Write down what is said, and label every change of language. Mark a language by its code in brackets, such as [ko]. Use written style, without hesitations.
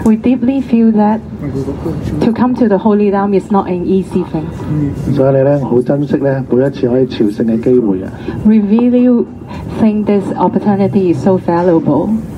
[en] We deeply feel that to come to the Holy Dham is not an easy thing. [yue] 所以你咧，好珍惜咧，每一次可以朝聖嘅機會啊。 [en] We really think this opportunity is so valuable.